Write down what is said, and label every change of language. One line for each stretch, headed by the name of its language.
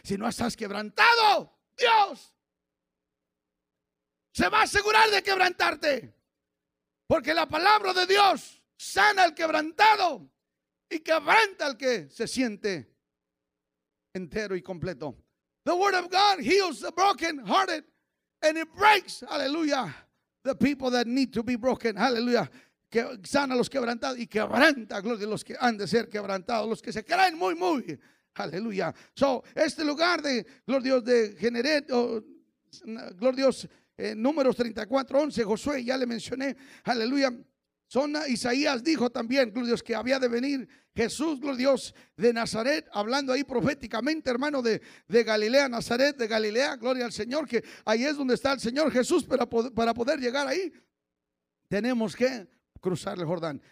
Spanish: Si no estás quebrantado, Dios se va a asegurar de quebrantarte. Porque la palabra de Dios sana al quebrantado y quebranta al que se siente entero y completo.
English: The word of God heals the broken hearted and it breaks, aleluya, the people that need to be broken, aleluya.
Spanish: Que sana los quebrantados y quebranta, gloria, los que han de ser quebrantados, los que se creen muy, muy, aleluya. So, este lugar de, gloria Dios, de Genered, gloria Dios, números 34, 11, Josué, ya le mencioné, aleluya. Son Isaías dijo también, gloria Dios, que había de venir Jesús, gloria Dios, de Nazaret, hablando ahí proféticamente, hermano, de Galilea, Nazaret, de Galilea, gloria al Señor, que ahí es donde está el Señor Jesús, pero para poder llegar ahí, tenemos que cruzar el Jordán.